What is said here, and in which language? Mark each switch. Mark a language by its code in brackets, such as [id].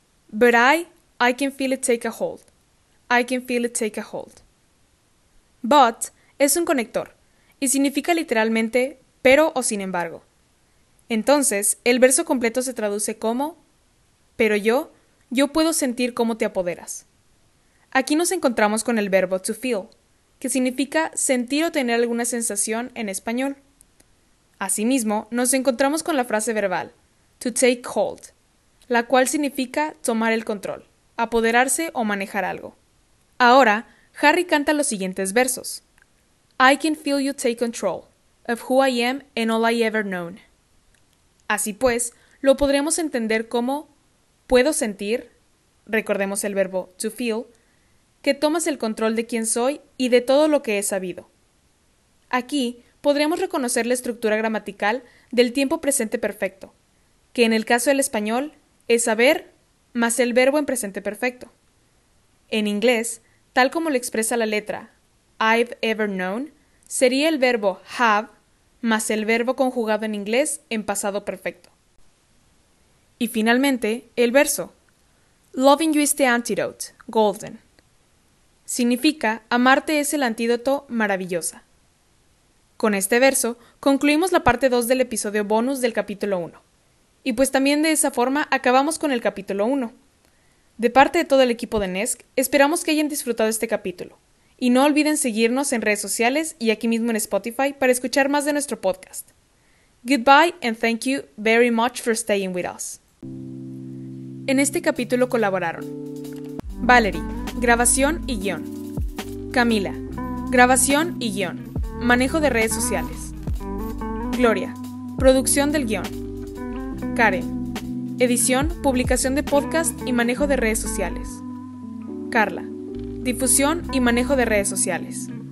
[en] But I can feel it take a hold. I can feel it take a hold. [es] But es un conector, y significa literalmente pero o sin embargo. Entonces, el verso completo se traduce como pero yo puedo sentir cómo te apoderas. Aquí nos encontramos con el verbo to feel, que significa sentir o tener alguna sensación en español. Asimismo, nos encontramos con la frase verbal, to take hold, la cual significa tomar el control, apoderarse o manejar algo. Ahora, Harry canta los siguientes versos. [en] I can feel you take control of who I am and all I ever known. [es] Así pues, lo podríamos entender como puedo sentir, recordemos el verbo to feel, que tomas el control de quién soy y de todo lo que he sabido. Aquí podríamos reconocer la estructura gramatical del tiempo presente perfecto, que en el caso del español es saber más el verbo en presente perfecto. En inglés, tal como lo expresa la letra [en] I've ever known, [es] sería el verbo have más el verbo conjugado en inglés en pasado perfecto. Y finalmente, el verso. [en] Loving you is the antidote, golden. [es] Significa, amarte es el antídoto maravillosa. Con este verso, concluimos la parte 2 del episodio bonus del capítulo 1. Y pues también de esa forma acabamos con el capítulo 1. De parte de todo el equipo de NESC, esperamos que hayan disfrutado este capítulo. Y no olviden seguirnos en redes sociales y aquí mismo en Spotify para escuchar más de nuestro podcast. [en] Goodbye and thank you very much for staying with us. [es] En este capítulo colaboraron Valerie, grabación y guión. Camila, grabación y guión. Manejo de redes sociales. Gloria, producción del guión. Karen, edición, publicación de podcast y manejo de redes sociales. Carla, difusión y manejo de redes sociales.